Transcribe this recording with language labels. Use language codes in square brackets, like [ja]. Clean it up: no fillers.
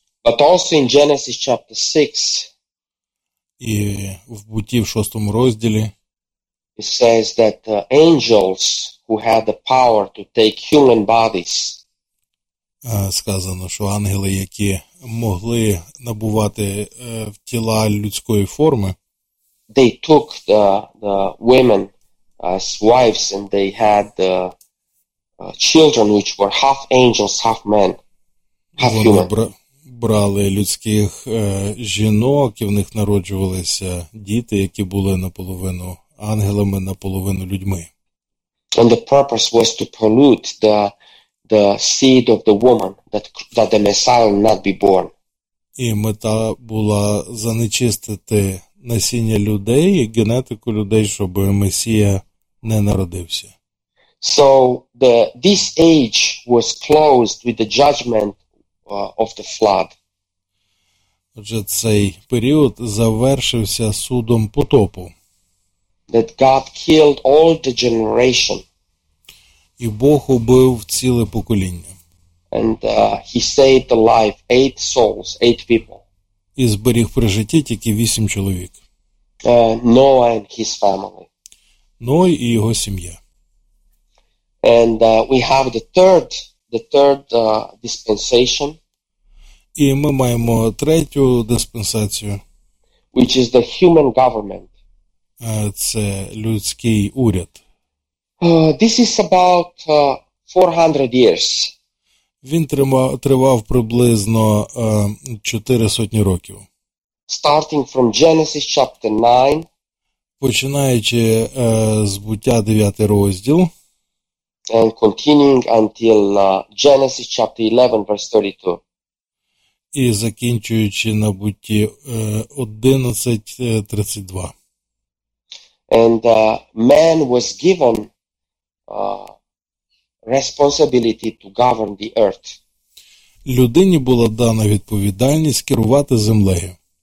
[en] But also in Genesis chapter 6. [uk] І в Буті в 6 розділі. [en] It says that angels who had the power to take human bodies. [uk] Сказано, що ангели, які могли набувати тіла людської форми. [en] They took the women as wives and they had children which were half angels, half men, half human. [uk] Вони брали людських жінок, і в них народжувалися діти, які були наполовину ангелами, наполовину людьми. [en] And the purpose was to pollute the seed of the woman that the Messiah will not be born. [uk] І мета була занечистити насіння людей і генетику людей, щоб Месія не народився. [en] So this age was closed with the judgment of the flood. [uk] Отже, цей період завершився судом потопу. [en] That God killed all the generation. [uk] І Бог убив ціле покоління. [en] And he saved the life, eight souls, eight people. [uk] І зберіг при житті тільки вісім чоловік. [en] Noah and his family. [uk] Ной і його сім'я. [en] And we have the third dispensation. [uk] І ми маємо третю диспенсацію. [en] Which is the human government. [uk] Це людський уряд. [en] This is about 400 years. [uk] Він тривав приблизно 400 років. [en] Starting from Genesis chapter 9. [uk] Починаючи з буття 9 розділ. [en] And continuing until Genesis chapter 11 verse 32. [uk] І закінчуючи на бутті 11:32. [en] And man was given responsibility to govern the earth. [uk] Людині була дана відповідальність керувати землею.